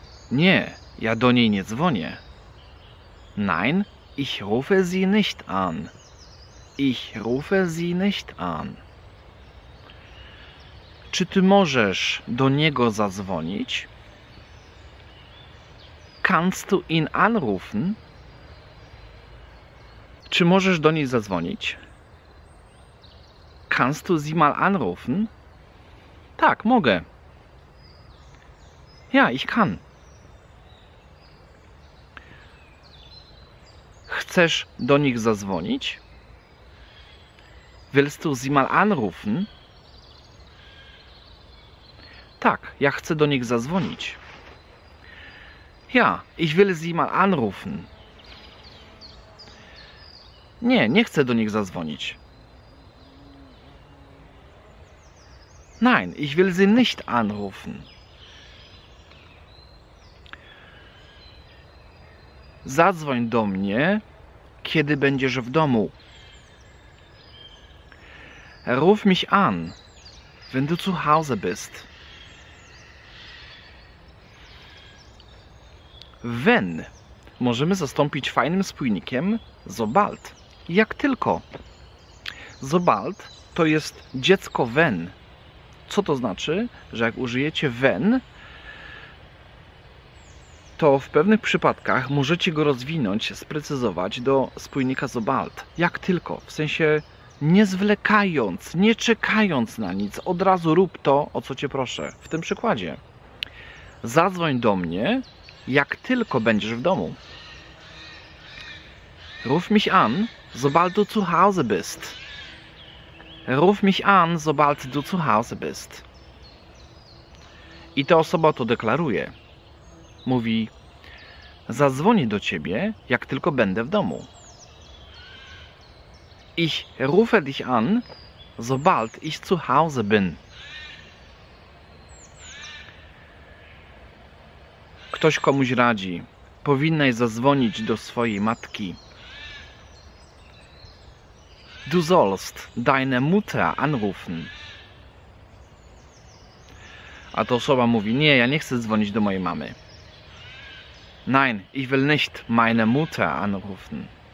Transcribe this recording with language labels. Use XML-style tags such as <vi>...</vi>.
<pl>Nie, ja do niej nie dzwonię.</pl> <de>Nein, ich rufe sie nicht an. Ich rufe sie nicht an.</de> <pl>Czy ty możesz do niego zadzwonić?</pl> <de>Kannst du ihn anrufen?</de> <pl>Czy możesz do niej zadzwonić?</pl> <de>Kannst du sie mal anrufen?</de> <pl>Tak, mogę.</pl> <de>Ja, ich kann.</de> <pl>Chcesz do nich zadzwonić?</pl> <de>Willst du sie mal anrufen?</de> <pl>Tak, ja chcę do nich zadzwonić.</pl> <de>Ja, ich will sie mal anrufen.</de> <pl>Nie, nie chcę do nich zadzwonić.</pl> <de>Nein, ich will sie nicht anrufen.</de> <pl>Zadzwoń do mnie, kiedy będziesz w domu.</pl> <de>Ruf mich an, wenn du zu Hause bist.</de> <pl>Wenn możemy zastąpić fajnym spójnikiem sobald, jak tylko. Sobald to jest dziecko wenn. Co to znaczy, że jak użyjecie wenn, to w pewnych przypadkach możecie go rozwinąć, sprecyzować do spójnika sobald, jak tylko. W sensie nie zwlekając, nie czekając na nic, od razu rób to, o co cię proszę. W tym przykładzie. Zadzwoń do mnie, jak tylko będziesz w domu.</pl> <de>Ruf mich an, sobald du zu Hause bist. Ruf mich an, sobald du zu Hause bist.</de> <pl>I ta osoba to deklaruje. Mówi, zadzwonię do ciebie, jak tylko będę w domu.</pl> <de>Ich rufe dich an, sobald ich zu Hause bin.</de> <pl>Ktoś komuś radzi, powinnaś zadzwonić do swojej matki.</pl> <de>Du sollst deine Mutter anrufen.</de> <pl>A ta osoba mówi, nie, ja nie chcę dzwonić do mojej mamy.</pl> <de>Nein, ich will nicht meine Mutter anrufen.</de>